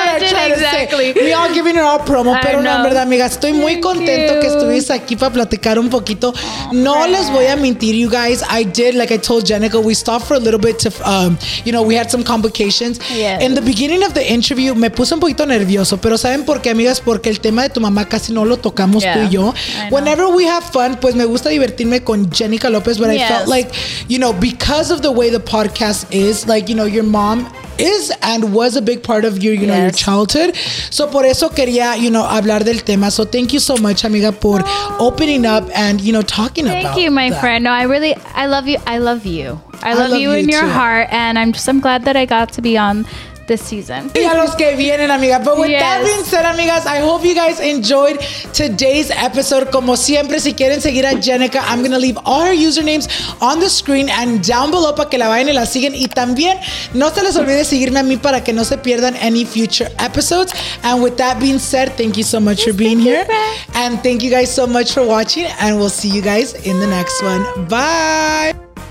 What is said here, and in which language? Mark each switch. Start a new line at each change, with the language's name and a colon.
English: Exactly. We all giving it all promo,
Spanish: pero no, en verdad, amigas, estoy Thank muy contento you. Que estuviste aquí para platicar un poquito. No les voy a mentir, you guys.
English: I did, like I told Jenicka, we stopped for a little bit to, you know, we had some complications. Yes. In the beginning of the interview,
Spanish: me puse un poquito nervioso, pero ¿saben por qué, amigas? Porque el tema de tu mamá casi no lo tocamos tú y yo.
English: Whenever we have fun,
Spanish: pues me gusta divertirme con
English: Jenicka Lopez, but I felt like, you know, because of the way the podcast is, like, you know, your mom is and was a big part of your, you know, your childhood. So
Spanish: por eso quería,
English: you know,
Spanish: hablar del tema.
English: So thank you so much, amiga, por opening up and, you know, talking about it. Thank you, my that. Friend. No, I really, I love you. I love you. I love you in your too. Heart. And I'm glad that I got to be on this season.
Spanish: Y a los que vienen, amiga.
English: But with that being said, amigas, I hope you guys enjoyed today's episode.
Spanish: Como siempre, si quieren seguir a Jenicka,
English: I'm going to leave all her usernames on the screen and down below
Spanish: para que la vayan y la siguen. Y también, no se les olvide seguirme a mí para que no se pierdan
English: any future episodes. And with that being said, thank you so much for being here. And thank you guys so much for watching. And we'll see you guys in the next one. Bye.